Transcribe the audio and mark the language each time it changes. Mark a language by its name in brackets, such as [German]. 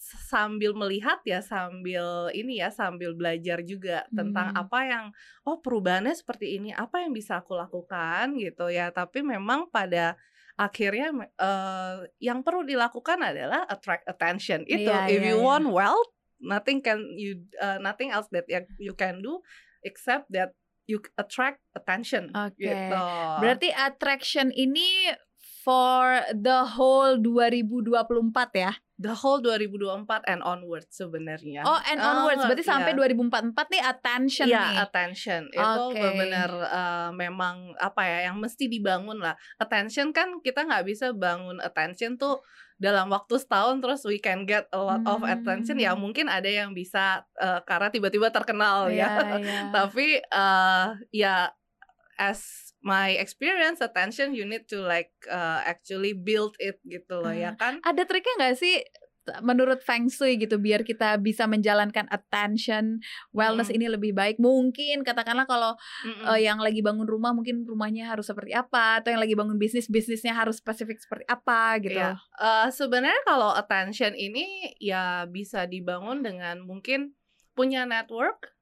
[Indonesian] sambil melihat ya, sambil ini ya, sambil belajar juga tentang apa yang, oh perubahannya seperti ini, apa yang bisa aku lakukan gitu ya. Tapi memang pada akhirnya yang perlu dilakukan adalah attract attention itu. [English] Yeah, if you want wealth, nothing can you nothing else that you can do except that you attract attention. [Indonesian] Okay. Gitu. Berarti attraction ini [English] for the whole 2024 [Indonesian] ya? [English] The whole 2024 and onwards sebenarnya. [Indonesian] Oh, [English] and onwards. [Indonesian] Berarti sampai 2044 nih attention nih. Iya, attention. Itu benar-benar memang apa ya, yang mesti dibangun lah. Attention kan kita nggak bisa bangun attention tuh dalam waktu setahun terus [English] we can get a lot of attention. [Indonesian] Ya mungkin ada yang bisa karena tiba-tiba terkenal ya. Tapi ya [English] as my experience, [Indonesian] attention [English] you need to like actually build it [Indonesian] gitu loh ya kan. Ada triknya gak sih menurut Feng Shui gitu biar kita bisa menjalankan attention wellness ini lebih baik? Mungkin katakanlah kalau yang lagi bangun rumah, mungkin rumahnya harus seperti apa, atau yang lagi bangun bisnis, bisnisnya harus spesifik seperti apa gitu. Sebenarnya kalau attention ini ya bisa dibangun dengan mungkin punya network.